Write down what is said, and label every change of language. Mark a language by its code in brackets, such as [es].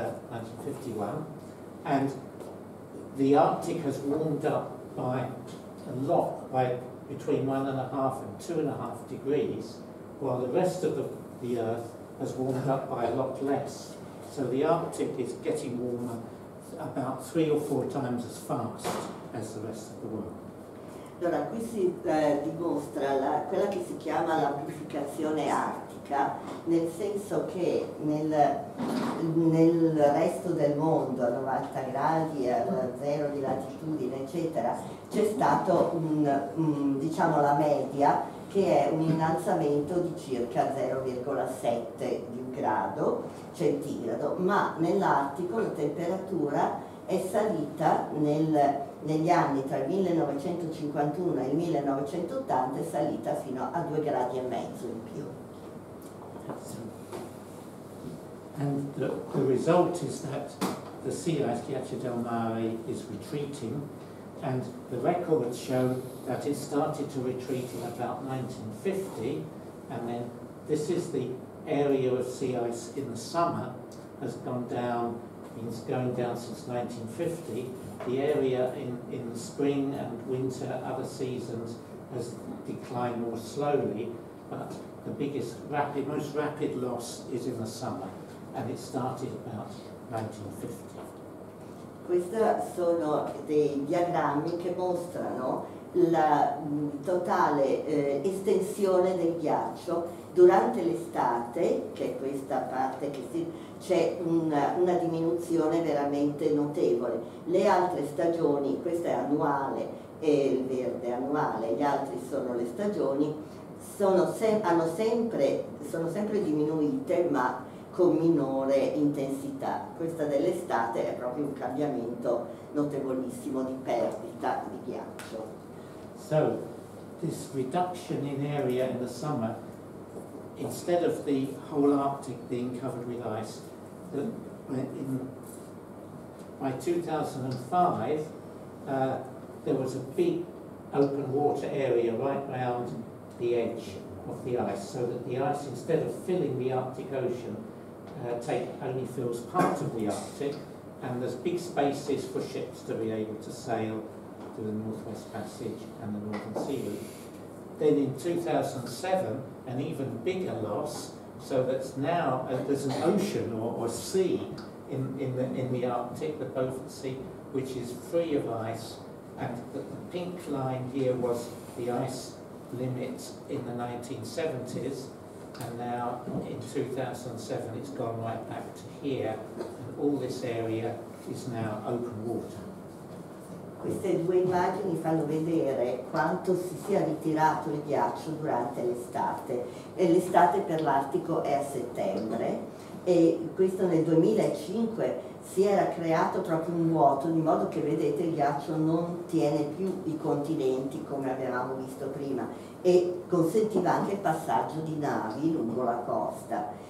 [en] 1951, and the Arctic has warmed up by a lot, by between 1.5 and 2.5 degrees, while the rest of the Earth has warmed up by a lot less. So the Arctic is getting warmer about 3 or 4 times as fast as the rest of the world. [it] Allora, qui si dimostra quella che si chiama l'amplificazione artica, nel senso che nel resto del mondo, a 90 gradi, a zero di latitudine, eccetera, c'è stato diciamo la media, che è un innalzamento di circa 0,7 di un grado centigrado, ma nell'Artico la temperatura è salita negli anni tra il 1951 e il 1980, è salita fino a 2.5 gradi in più. [en] And the result is that the sea ice, [it] Ghiaccio del Mare, [en] is retreating, and the records show that it started to retreat in about 1950, and then this is the area of sea ice in the summer has gone down. It's going down since 1950. The area in the spring and winter, other seasons, has declined more slowly, but the biggest, most rapid loss is in the summer, and it started about 1950. [it] Questi sono dei diagrammi che mostrano la totale estensione del ghiaccio durante l'estate, che è questa parte che si. C'è una diminuzione veramente notevole. Le altre stagioni, questa è annuale, e il verde annuale, gli altri sono le stagioni, sono sempre diminuite, ma con minore intensità. Questa dell'estate è proprio un cambiamento notevolissimo di perdita di ghiaccio. [en] So, this reduction in area in the summer, instead of the whole Arctic being covered with ice, by 2005, there was a big open water area right round the edge of the ice, so that the ice, instead of filling the Arctic Ocean, only fills part of the Arctic, and there's big spaces for ships to be able to sail through the Northwest Passage and the Northern Sea Route. Then in 2007, an even bigger loss. So that's now there's an ocean or sea in the Arctic, the Beaufort Sea, which is free of ice, and the pink line here was the ice limit in the 1970s, and now in 2007 it's gone right back to here, and all this area is now open water. [it] queste due immagini fanno vedere quanto si sia ritirato il ghiaccio durante l'estate, e l'estate per l'Artico è a settembre, e questo nel 2005 si era creato proprio un vuoto, di modo che vedete il ghiaccio non tiene più i continenti come avevamo visto prima, e consentiva anche il passaggio di navi lungo la costa.